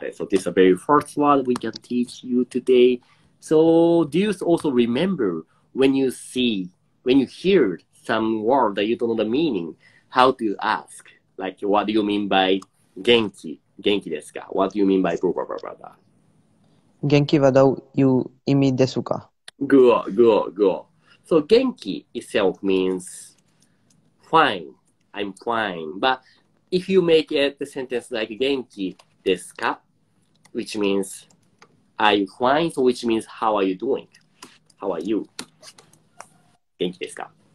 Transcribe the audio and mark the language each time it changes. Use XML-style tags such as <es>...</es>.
<en>So this is the very first one we can teach you today. So do you also remember when you hear some word that you don't know the meaning, how to ask? Like, what do you mean by</en> <ja>元気ですか?</ja> <en>What do you mean by blah, blah, blah, blah?</en> <ja>元気はどういう意味ですか?</ja> <en>Good. So 元気 itself means fine, I'm fine. But if you make it the sentence like</en> <ja>元気,ですか?</ja> <en>Which means, are you fine? So which means, how are you doing? How are you?</en> <ja>元気ですか?</ja>